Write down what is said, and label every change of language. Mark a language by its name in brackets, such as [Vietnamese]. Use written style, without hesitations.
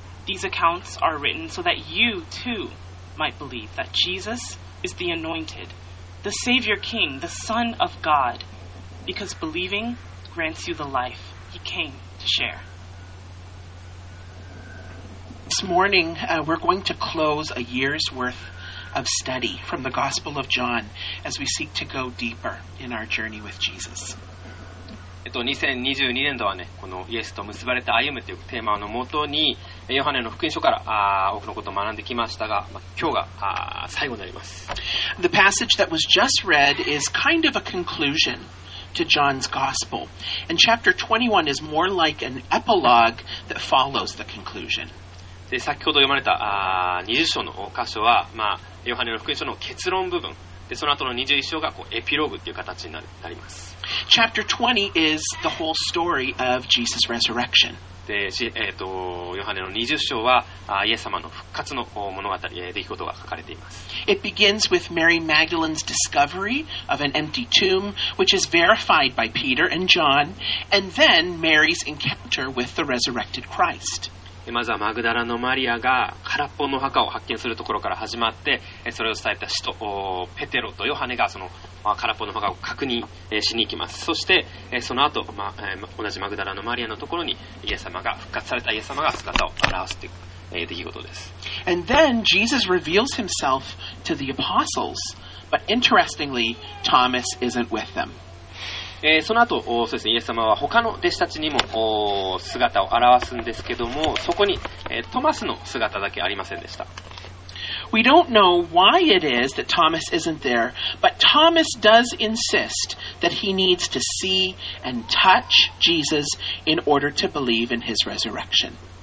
[English] These accounts are written so that you, too, might believe that Jesus is the Anointed, the Savior King, the Son of God, because believing grants you the life he came to share. This morning, we're going to close a year's worth of study from the Gospel of John as we seek to go deeper in our journey with Jesus. [Japanese] 2022年度はね、このイエスと結ばれて歩むというテーマのもとに、ヨハネの福音書から多くのことを学んできましたが、今日が最後になります。 [English] The passage that was just read is kind of a conclusion to John's gospel. And chapter 21 is more like an epilogue that follows the conclusion. [Japanese] で、先ほど読まれた20章の箇所は、まあ、ヨハネの福音書の結論部分。で、その後の21章がこうエピローグという形になります。 [English] Chapter 20 is the whole story of Jesus' resurrection. [Japanese] で、ヨハネの20章は、イエス様の復活の物語、出来事が書かれています。 [English] It begins with Mary Magdalene's discovery of an empty tomb, which is verified by Peter and John, and then Mary's encounter with the resurrected Christ. [Japanese] まずはマグダラのマリアが空っぽの墓を発見するところから始まって、それを伝えた使徒ペテロとヨハネがその空っぽの墓を確認しに行きます。そしてその後、まあ、同じマグダラのマリアのところにイエス様が復活されたイエス様が姿を現すという出来事です。 [English] And then Jesus reveals himself to the apostles, but interestingly, Thomas isn't with them. [Japanese] その後、そうですね、イエス様は他の弟子たちにも姿を現すんですけども、そこにトマスの姿だけありませんでした。 [English] We don't know why it is that Thomas isn't there, but Thomas does insist that he needs to see and touch Jesus in order to believe in his resurrection.